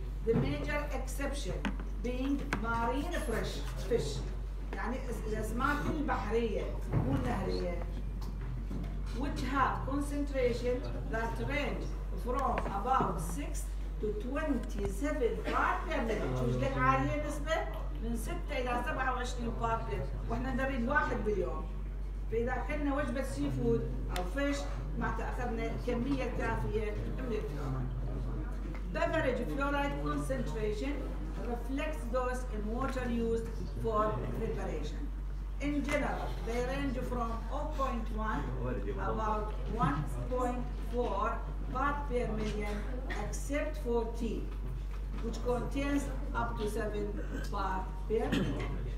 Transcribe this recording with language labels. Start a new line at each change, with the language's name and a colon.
English: The major exception being marine fresh fish.
Arabic: يعني الأسماك البحرية مو النهرية
English: which have concentration that range from about 6 to 27 parts per million.
Arabic: شو لك عالية نسبة؟ من 6 إلى 27
English: parts per million.
Arabic: وإحنا نريد واحد باليوم. فإذا أخذنا وجبة سي فود أو فيش معناته أخذنا كمية كافية من الفلورايد.
English: Beverage fluoride concentration reflects those in water used for preparation. In general, they range from 0.1 about 1.4 part per million except for tea, which contains up to 7 part per million.